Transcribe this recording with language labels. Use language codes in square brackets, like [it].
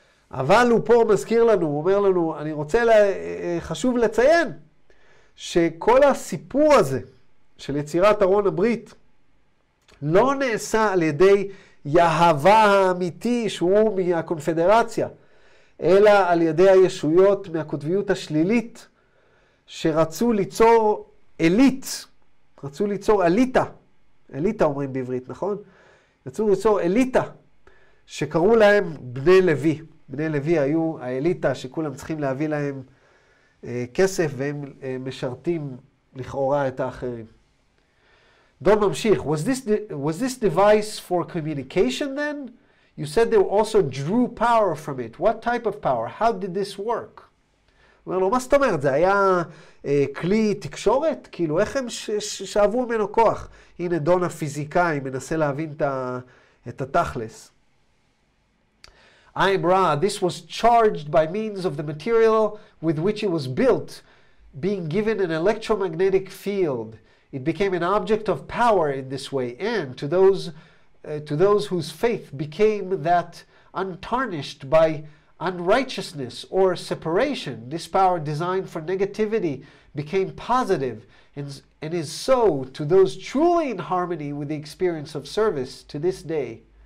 [he] אבל הוא פה מזכיר לנו, הוא אומר לנו, אני רוצה, חשוב לציין, שכל הסיפור הזה של יצירת ארון הברית, לא נעשה על ידי יהבה האמיתי שהוא מהקונפדרציה, אלא על ידי הישויות מהקוטביות השלילית שרצו ליצור אליט, רצו ליצור אליטה, אליטה אומרים בעברית, נכון? רצו ליצור אליטה שקראו להם בני לוי. בני לוי היו האליטה שכולם צריכים להביא להם כסף והם משרתים לכאורה את האחרים. [en] Don [he] ממשיך, [en] was this device for communication then? You said they also drew power from it. What type of power? How did this work? [he] אומר לו, מה זאת אומרת? זה היה כלי תקשורת? כאילו, איך הם שאבו ממנו כוח? הנה דון הפיזיקאי, מנסה להבין את התכלס. [en] I am Ra, this was charged by means of the material with which it was built, being given an electromagnetic field. It became an object of power in this way, and to those whose faith became that untarnished by unrighteousness or separation, this power designed for negativity became positive, and is so to those truly in harmony with the experience of service to this day.